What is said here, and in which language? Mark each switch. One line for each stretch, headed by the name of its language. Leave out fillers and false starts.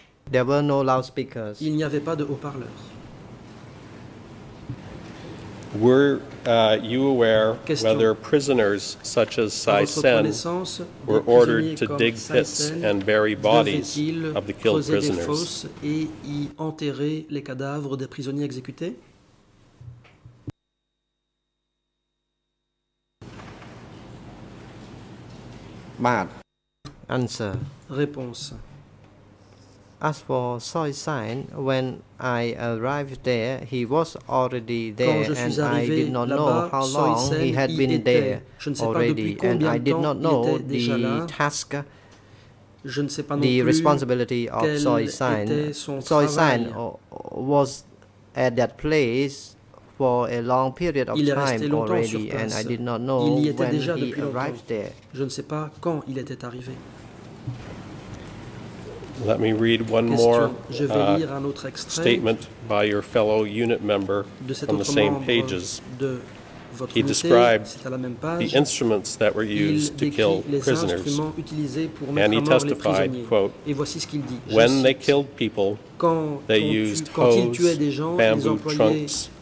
English: There were no loudspeakers.
French: Il n'y avait pas de haut-parleurs.
English: Were you aware Question. Whether prisoners such as Sai Sen were ordered to dig pits and bury bodies of the killed prisoners?
French: Creuser des fosses et y enterrer les cadavres des prisonniers exécutés?
English: Mad. Answer.
French: Réponse.
English: As for Soi Sain, when I arrived there, he was already there and I did not know how long he had been there already and I did not know the task, the responsibility of Soi Sain. Soi Sain was at that place for a long period of time already and I did not know when he arrived there.
French: Je ne sais pas quand il était arrivé.
English: Let me read one more statement by your fellow unit member on the same pages. He described the instruments that were used to kill prisoners, and he testified, quote, when they killed people, they used hose, bamboo trunks.